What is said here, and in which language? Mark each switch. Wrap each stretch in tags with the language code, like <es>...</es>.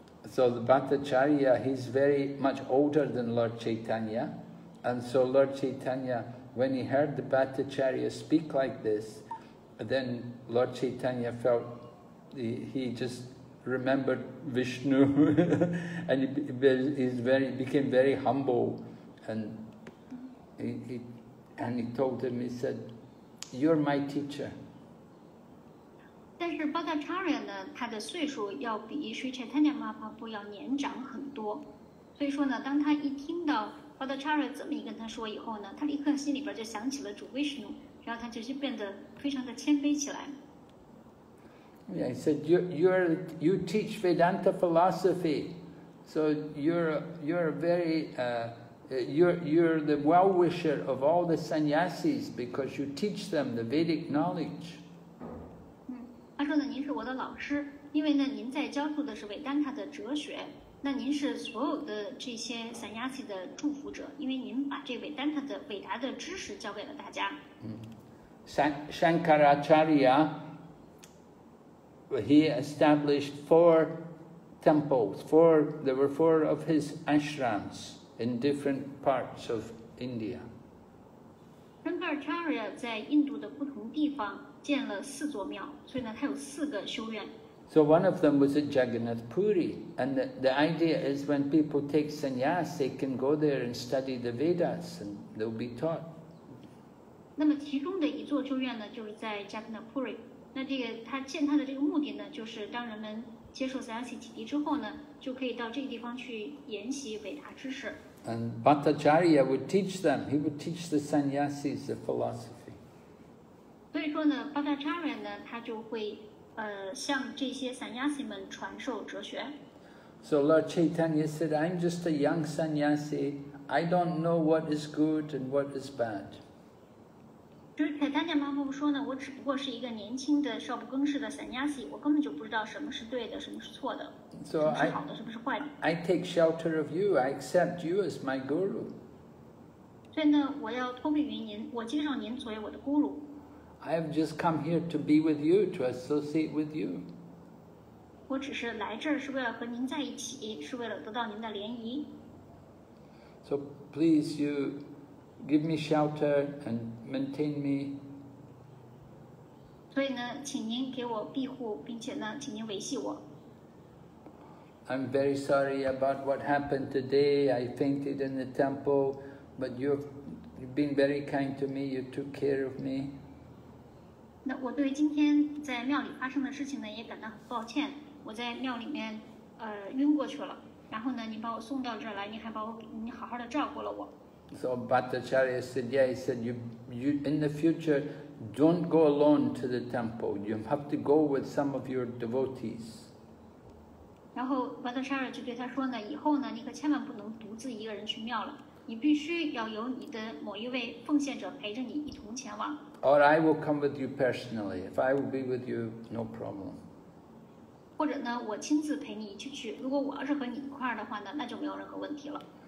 <en>So the Bhattacharya, he's very much older than Lord Chaitanya, and so Lord Chaitanya, when he heard the Bhattacharya speak like this, then Lord Chaitanya felt he just remembered Vishnu, and he became very humble, and he told him, he said, "You're my teacher."</en> <zh>但是巴达查里亚呢，他的岁数要比水产泰尼马帕布要年长很多，所以说呢，当他一听到巴达查里亚怎么一跟他说以后呢，他立刻心里边就想起了主威士努，然后他就变得非常的谦卑起来。</zh> <en>Yeah, he said you teach Vedanta philosophy, so you're the well wisher of all the sannyasis because you teach them the Vedic knowledge.</en> <zh>他说呢，您是我的老师，因为呢，您在教授的是维丹塔的哲学。那您是所有的这些散亚系的祝福者，因为您把这维丹塔的伟大的知识教给了大家。</zh> <en>Shankaracharya, he established four temples. There were four of his ashrams in different parts of India.</en> <zh>Shankaracharya 在印度的不同地方。建了四座庙，所以呢，他有四个修院。</zh> <en>So one of them was at Jagannath Puri, and the idea is when people take sannyas, they can go there and study the Vedas, and they'll be taught.</en> <zh>那么其中的一座修院呢，就是在 Jagannath Puri。那这个他建他的这个目的呢，就是当人们接受 sannyas 启迪之后呢，就可以到这个地方去研习伟达知识。</zh> <en>And Bhattacharya would teach them. He would teach the sannyasis the philosophy.</en> <zh>所以说呢 ，Bhattacharya 呢，他就会。向这些 sannyasi 们传授哲学。</zh> <en>So Lord Chaitanya said, I'm just a young sannyasi. I don't know what is good and what is bad.</en> <zh>就是 Chaitanya Mahaprabhu 说呢，我只不过是一个年轻的少不更事的 sannyasi， 我根本就不知道什么是对的，什么是错的，什么是好的，什么是坏的。</zh> <en>I take shelter of you. I accept you as my guru.</en> <zh>所以呢，我要托庇于您，我接受您作为我的 guru。</zh> <en>I have just come here to be with you, to associate with you.</en> <zh>我只是来这儿是为了和您在一起，是为了得到您的联谊。</zh> <en>So please, you give me shelter and maintain me.</en> <zh>所以呢，请您给我庇护，并且呢，请您维系我。</zh> <en>I'm very sorry about what happened today. I fainted in the temple, but you've been very kind to me. You took care of me.</en> <zh>那我对今天在庙里发生的事情呢也感到很抱歉，我在庙里面晕过去了，然后呢你把我送到这儿来，你还把我你好好的照顾了我。</zh> <en>So Bhattacharya said, yeah, he said, you in the future don't go alone to the temple, you have to go with some of your devotees.</en> <zh>然后 Bhattacharya 就对他说呢，以后呢你可千万不能独自一个人去庙了。你必须要有你的某一位奉献者陪着你一同前往。</zh> <en>Or I will come with you personally. If I will be with you, no problem.</en> <zh>或者呢，我亲自陪你一起去。如果我要是和你一块儿的话呢，那就没有任何问题了。</zh>